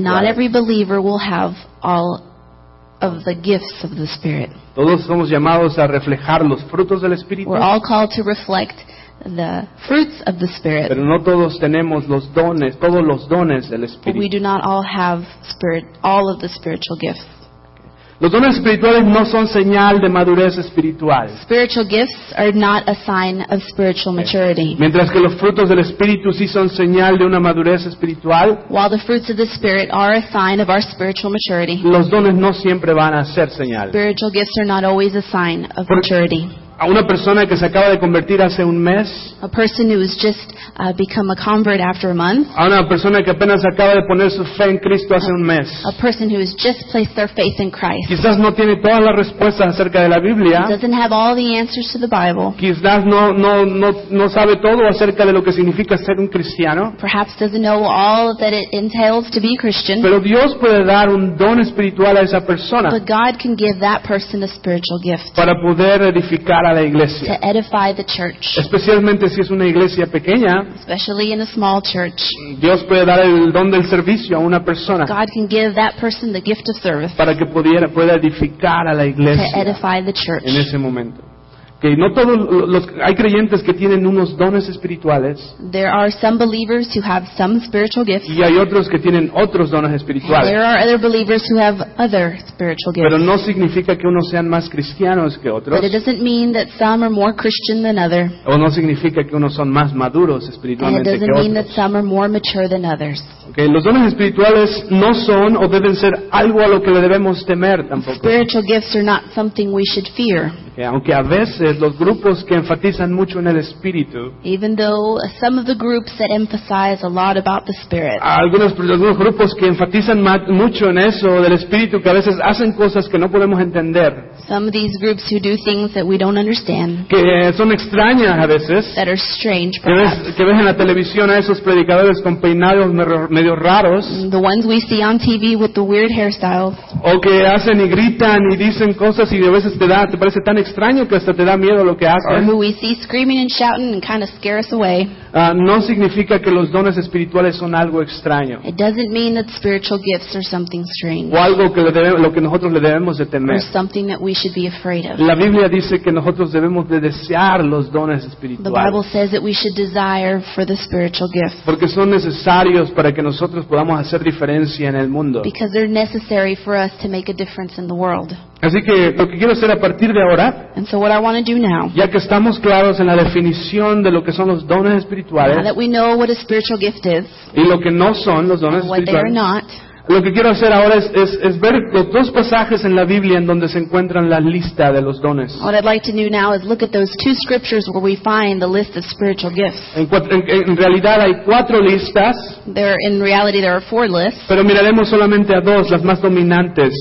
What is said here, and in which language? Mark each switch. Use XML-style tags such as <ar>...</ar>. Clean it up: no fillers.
<en>But not every believer will have all of the gifts of the Spirit.</en> <es>Todos somos llamados a reflejar los frutos del Espíritu.</es> <en>We're all called to reflect the fruits of the Spirit.</en> <es>Pero no todos tenemos los dones, todos los dones del Espíritu.</es> <en>We do not all have all of the spiritual gifts.</en> <es>Los dones espirituales no son señal de madurez espiritual.</es> <en>Spiritual gifts are not a sign of spiritual maturity.</en> <es>Mientras que los frutos del Espíritu sí son señal de una madurez espiritual.</es> <en>While the fruits of the Spirit are a sign of our spiritual maturity.</en> <es>Los dones no siempre van a ser señal.</es> <en>Spiritual gifts are not always a sign of maturity.</en> <es>A una persona que se acaba de convertir hace un mes.</es> <en>A person who has just become a convert after a month.</en> <es>A una persona que apenas acaba de poner su fe en Cristo hace un mes.</es> <en>A person who has just placed their faith in Christ.</en> <es>Quizás no tiene todas las respuestas acerca de la Biblia.</es> <en>He doesn't have all the answers to the Bible.</en> <es>Quizás no sabe todo acerca de lo que significa ser un cristiano.</es> <en>Perhaps doesn't know all that it entails to be Christian.</en> <es>Pero Dios puede dar un don espiritual a esa persona.</es> <en>But God can give that person a spiritual gift.</en> <es>Para poder edificar a la iglesia.</es> <en>To edify the church.</en> <es>Especialmente si es una iglesia pequeña.</es> <en>Especially in a small church.</en> <es>Dios puede dar el don del servicio a una persona.</es> <en>God can give that person the gift of service.</en> <es>Para que pueda edificar a la iglesia.</es> <en>To edify the church.</en> <es>En ese momento. Que no todos los hay creyentes que tienen unos dones espirituales.</es> <en>There are some believers who have some spiritual gifts.</en> <es>Y hay otros que tienen otros dones espirituales.</es> <en>There are other believers who have other spiritual gifts.</en> <es>Pero no significa que unos sean más cristianos que otros.</es> <en>But it doesn't mean that some are more Christian than others.</en> <es>O no significa que unos son más maduros espiritualmente que otros.</es> <en>And it doesn't mean that some are more mature than others.</en> <es>Okay, los dones espirituales no son o deben ser algo a lo que le debemos temer tampoco.</es> <en>Spiritual gifts are not something we should fear.</en> <es>Aunque a veces los grupos que enfatizan mucho en el Espíritu,</es> <en>even though some of the groups that emphasize a lot about the Spirit,</en> <es>algunos grupos que enfatizan mucho en eso del Espíritu, que a veces hacen cosas que no podemos entender,</es> <en>some of these groups who do things that we don't understand,</en> <es>que son extrañas a veces,</es> <en>that are strange perhaps,</en> <es>que ves en la televisión a esos predicadores con peinados medio raros,</es> <en>the ones we see on TV with the weird hairstyles,</en> <es>o que hacen y gritan y dicen cosas y a veces te parece tan extraño que hasta te da miedo lo que hacen.</es> <en>Or who we see screaming and shouting and kind of scare us away.</en> <es>No significa que los dones espirituales son algo extraño.</es> <en>It doesn't mean that spiritual gifts are something strange.</en> <es>O algo que lo que nosotros le debemos de temer.</es> <en>Or something that we should be afraid of.</en> <es>La Biblia dice que nosotros debemos de desear los dones espirituales.</es> <en>The Bible says that we should desire for the spiritual gifts.</en> <es>Porque son necesarios para que nosotros podamos hacer diferencia en el mundo.</es> <en>Because they're necessary for us to make a difference in the world.</en> <es>Así que lo que quiero hacer a partir de ahora,</es> <en>and so what I want to do now,</en> <es>ya que estamos claros en la definición de lo que son los dones espirituales,</es> <en>now that we know what a spiritual gift is,</en> <es>y lo que no son los dones espirituales,</es> <en>what they are not,</en> <es>lo que quiero hacer ahora es ver los dos pasajes en la Biblia en donde se encuentran la lista de los dones.</es> <en>What I'd like to do now is look at those two scriptures where we find the list of spiritual gifts.</en> <es>En realidad hay cuatro listas.</es> <en>There are four lists.</en> <es>Pero miraremos solamente a dos, las más dominantes.</es>